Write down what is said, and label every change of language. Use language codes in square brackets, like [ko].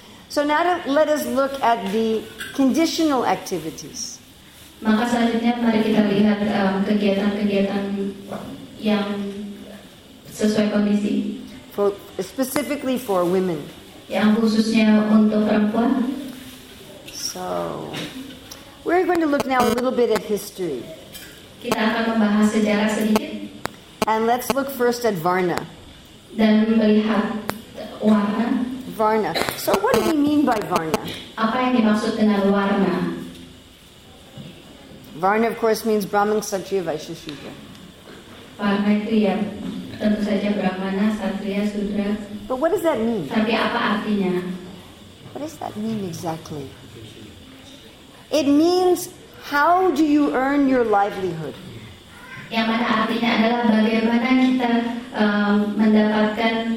[en] So now let us look at the conditional activities. [id] Maka selanjutnya mari kita lihat kegiatan-kegiatan yang sesuai kondisi. [en] Specifically for women. [id] Yang khususnya untuk perempuan. [en] So we're going to look now a little bit at history. [id] Kita akan membahas sejarah sedikit. [en] And let's look first at Varna. [id] Dan melihat warna. [en] Varna. So what do we mean by Varna? [id] Apa yang dimaksud dengan warna? [en] Varna of course means Brahmin, Kshatriya, Vaishya, Shudra. [id] Varna itu ya tentu saja Brahmana, Kshatriya, Shudra. [en] But what does that mean? [id] Tapi apa artinya? [en] What does that mean exactly? It means how do you earn your livelihood? [id] Yang mana artinya adalah bagaimana kita mendapatkan